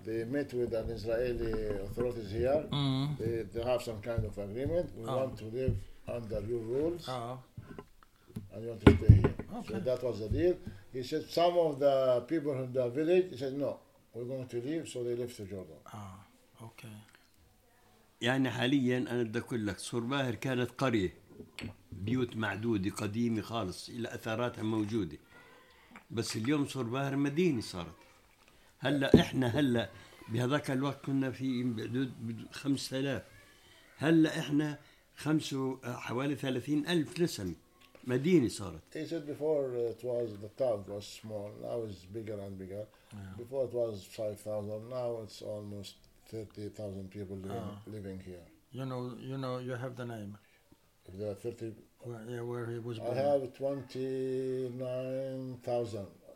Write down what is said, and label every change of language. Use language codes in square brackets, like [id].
[en] they met with an Israeli authorities here they have some kind of agreement we want to live under your rules and you want to stay here Okay. So that was the deal. He said some of the people in the village, he said, no, we're going to leave. So they left to Jordan. Okay. [ar] يعني حاليا أنا بدي أقول لك صرباهر كانت قرية بيوت معدودة قديمة خالص إلى أثاراتها موجودة بس اليوم صرباهر مدينة صارت هلأ إحنا هلأ بهذاك الوقت كنا في 5,000 هلأ إحنا حوالي 30,000 نسمة مدينة صارت. [en] He said before it was the town was small. Now it's bigger and bigger. Yeah. Before it was 5,000. Now it's almost 30,000 people living here. You know, you have the name. The 30. Where he was born. I have 29,000.